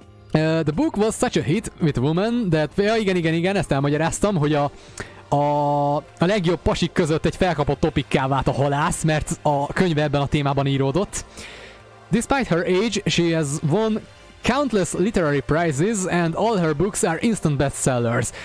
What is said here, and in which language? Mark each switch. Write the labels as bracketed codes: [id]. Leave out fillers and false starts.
[en] The book was such a hit with women that... [hu] Ja, igen, ezt elmagyaráztam, hogy a legjobb pasik között egy felkapott topikká vált a halász, mert a könyve ebben a témában íródott. [en] Despite her age, she has won countless literary prizes and all her books are instant bestsellers.